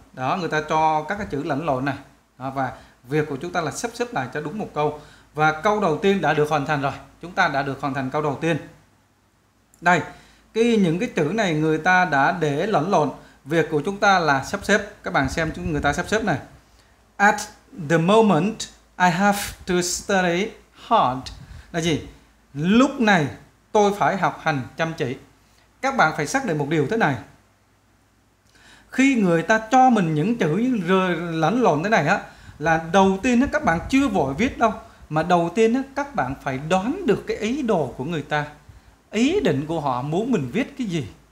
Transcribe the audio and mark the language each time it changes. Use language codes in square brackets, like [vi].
[vi] Đó, người ta cho các cái chữ lẫn lộn này. Đó, và việc của chúng ta là sắp xếp lại cho đúng một câu. Và câu đầu tiên đã được hoàn thành rồi. Chúng ta đã được hoàn thành câu đầu tiên. Đây, những cái chữ này người ta đã để lẫn lộn. Việc của chúng ta là sắp xếp. Các bạn xem người ta sắp xếp này. [en] At the moment, I have to study hard. [vi] Là gì? Lúc này, tôi phải học hành chăm chỉ. Các bạn phải xác định một điều thế này. Khi người ta cho mình những chữ lẫn lộn thế này á, là đầu tiên các bạn chưa vội viết đâu. Mà đầu tiên các bạn phải đoán được cái ý đồ của người ta, ý định của họ muốn mình viết cái gì.